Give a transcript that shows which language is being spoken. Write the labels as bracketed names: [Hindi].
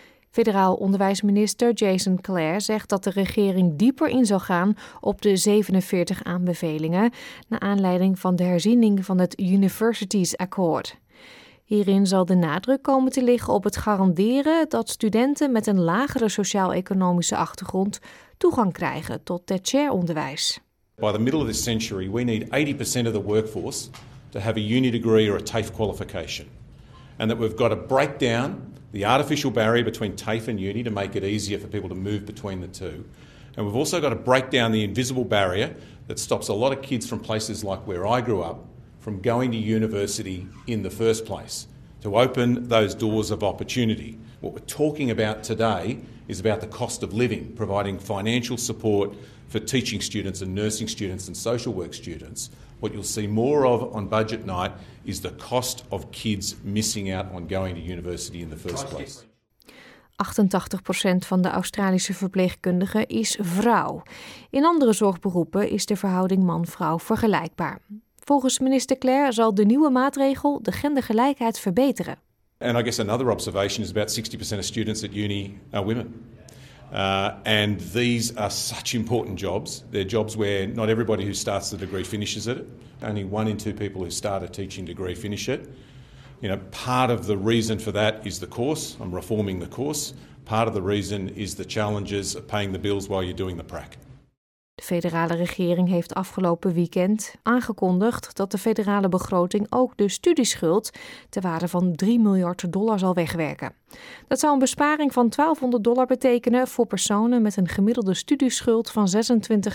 [Dutch] Federaal onderwijsminister Jason Clare zegt dat de regering dieper in zal gaan op de 47 aanbevelingen naar aanleiding van de herziening van het Universities Accord. Hierin zal de nadruk komen te liggen op het garanderen dat studenten met een lagere sociaal-economische achtergrond toegang krijgen tot tertiair onderwijs. [English] By the middle of this century, we need 80% of the workforce to have a uni degree or a TAFE qualification. And that we've got to break down the artificial barrier between TAFE and uni to make it easier for people to move between the two. And we've also got to break down the invisible barrier that stops a lot of kids from places like where I grew up from going to university in the first place, to open those doors of opportunity. What we're talking about today is about the cost of living, providing financial support for teaching students and nursing students and social work students. What you'll see more of on budget night is the cost of kids missing out on going to university in the first place. [Dutch] 88% van de Australische verpleegkundigen is vrouw. In andere zorgberoepen is de verhouding man-vrouw vergelijkbaar. Volgens minister Clare zal de nieuwe maatregel de gendergelijkheid verbeteren. [English] And I guess another observation is about 60% of students at uni are women. And these are such important jobs. They're jobs where not everybody who starts the degree finishes it. Only one in two people who start a teaching degree finish it. You know, part of the reason for that is the course. I'm reforming the course. Part of the reason is the challenges of paying the bills while you're doing the prac. [Dutch] De federale regering heeft afgelopen weekend aangekondigd dat de federale begroting ook de studieschuld ter waarde van $3 miljard zal wegwerken. Dat zou een besparing van $1200 betekenen voor personen met een gemiddelde studieschuld van $26.500.